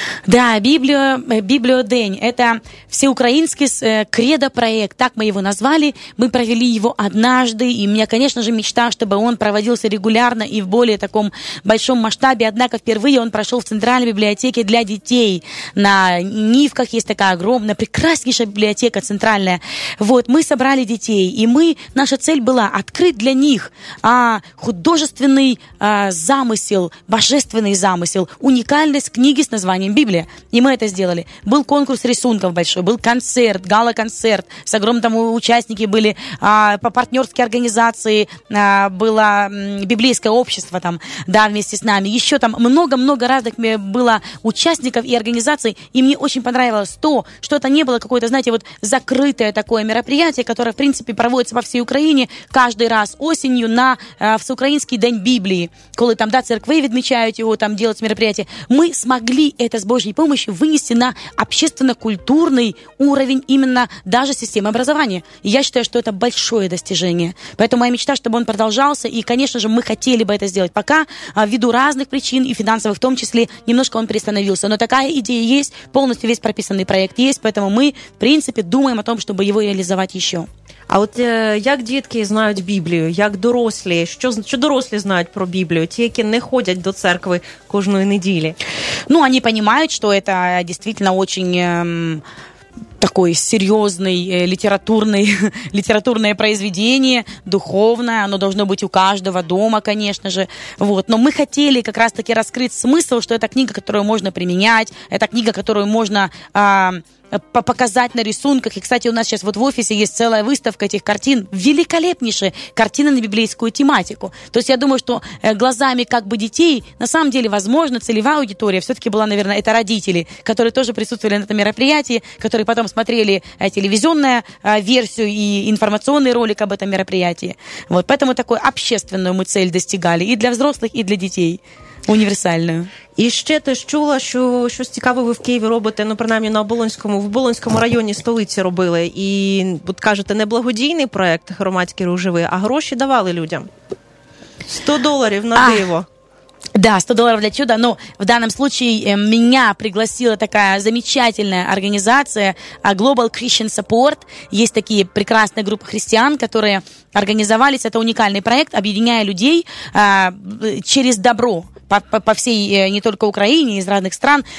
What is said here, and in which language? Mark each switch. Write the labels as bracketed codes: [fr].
[uk] Да, Бібліодень – це всеукраїнський кредо-проект. Так ми його назвали. Ми провели його [ru] однажды. [uk] І мені, звісно ж, [ru] мечта, [uk] щоб він проводився регулярно і в більш такому великому масштабі. [ru] Однако [uk] вперше він пройшов в центральній бібліотеці для дітей на Нівках. [ru] Есть такая огромная, прекраснейшая библиотека центральная. Вот, мы собрали детей, и мы, наша цель была открыть для них художественный замысел, божественный замысел, уникальность книги с названием «Библия». И мы это сделали. Был конкурс рисунков большой, был концерт, гала-концерт, с огромным участники были, по партнерской организации было библейское общество там, да, вместе с нами. Еще там много-много разных было участников и организаций, и мне очень понравилось то, что это не было какое-то, знаете, вот закрытое такое мероприятие, которое, в принципе, проводится по всей Украине каждый раз осенью на Всеукраинский день Библии, [uk] коли там, да, церкви відмічають [ru] его, там делать мероприятие. Мы смогли это с Божьей помощью вынести на общественно-культурный уровень именно даже системы образования. И я считаю, что это большое достижение. Поэтому моя мечта, чтобы он продолжался, и, конечно же, мы хотели бы это сделать пока, ввиду разных причин, и финансовых в том числе, немножко он перестановился. Но такая идея есть, полностью весь прописан проект [uk] є, [ru] поэтому [uk] ми, в принципі, думаємо [ru] о том, [uk] щоб його реалізувати ще. А от як дітки знають Біблію, як дорослі, що дорослі знають про Біблію, ті, які не ходять до церкви кожної неділі? Ну, вони розуміють, що це дійсно [ru] очень такой серьезный литературное произведение, духовное, оно должно быть у каждого дома, конечно же. Вот. Но мы хотели как раз-таки раскрыть смысл, что это книга, которую можно применять, это книга, которую можно показать на рисунках. И, кстати, у нас сейчас вот в офисе есть целая выставка этих картин. Великолепнейшие картины на библейскую тематику. То есть я думаю, что глазами как бы детей, на самом деле, возможно, целевая аудитория все-таки была, наверное, это родители, которые тоже присутствовали на этом мероприятии, которые потом смотрели телевизионную версию и информационный ролик об этом мероприятии. Вот, поэтому такую общественную мы цель достигали и для взрослых, и для детей. [uk] Універсальною. І ще теж чула, що щось цікаве ви в Києві робите, ну, принаймні, на Оболонському, в Оболонському районі столиці робили. І, от кажете, не благодійний проєкт «Громадський рух живий», а гроші давали людям. $100 на диво. [ru] Да, $100 для чуда. Ну, в данном случае меня пригласила такая замечательная организация Global Christian Support. Есть такие прекрасные группы христиан, которые организовались. Это уникальный проект, объединяя людей через добро по всей, не только Украине, из разных стран.